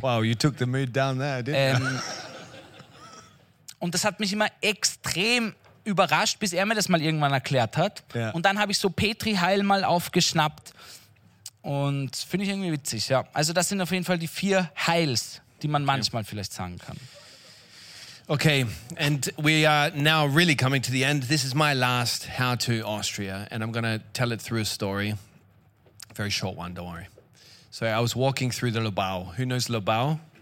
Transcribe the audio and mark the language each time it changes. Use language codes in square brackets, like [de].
[en] Wow, you took the mood down there, didn't you? [de] Und das hat mich immer extrem überrascht, bis er mir das mal irgendwann erklärt hat. Yeah. Und dann habe ich so Petri Heil mal aufgeschnappt. Und finde ich irgendwie witzig, ja. Also das sind auf jeden Fall die vier Heils, die man manchmal vielleicht sagen kann. [en] Okay, and we are now really coming to the end. This is my last How to Austria, and I'm going to tell it through a story. Very short one, don't worry. So I was walking through the Lobau. Who knows Lobau?